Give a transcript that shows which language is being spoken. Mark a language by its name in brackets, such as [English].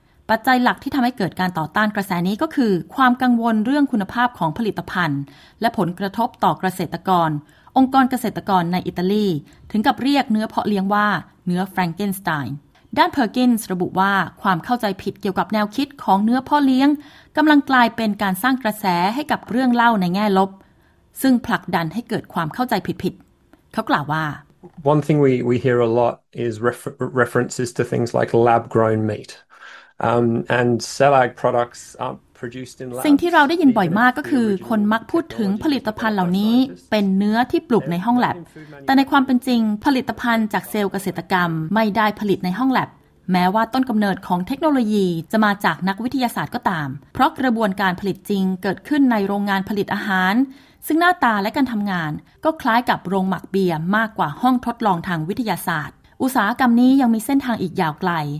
[Thai] ปัจจัยหลักที่ทำให้เกิดการต่อต้านกระแสนี้ก็คือความกังวลเรื่องคุณภาพของผลิตภัณฑ์และผลกระทบต่อเกษตรกรองค์กรเกษตรกรในอิตาลีถึงกับเรียกเนื้อเพาะเลี้ยงว่าเนื้อแฟรงเกนสไตน์ด้านเพอร์กินส์ระบุว่าความเข้าใจผิดเกี่ยวกับแนวคิดของเนื้อพ่อเลี้ยงกำลังกลายเป็นการสร้างกระแสให้กับเรื่องเล่าในแง่ลบซึ่งผลักดันให้เกิดความเข้าใจผิดๆเขากล่าวว่า [English] One thing we hear a lot is references to things like lab grown meat and cell ag products aren't produced in labs [Thai] สิ่งที่เราได้ยินบ่อยมากก็คือคนมักพูดถึงผลิตภัณฑ์เหล่านี้เป็นเนื้อที่ปลูกในห้องแลบแต่ในความเป็นจริงผลิตภัณฑ์จากเซลล์เกษตรกรรมไม่ได้ผลิตในห้องแลบแม้ว่าต้นกำเนิดของเทคโนโลยีจะมาจากนักวิทยาศาสตร์ก็ตามเพราะกระบวนการผลิตจริงเกิดขึ้นในโรงงานผลิตอาหารซึ่งหน้าตาและการทำงานก็คล้ายกับโรงหมักเบียร์มากกว่าห้องทดลองทางวิทยาศาสตร์อุตสาหกรรมนี้ยังมีเส้นทางอีกยาวไกล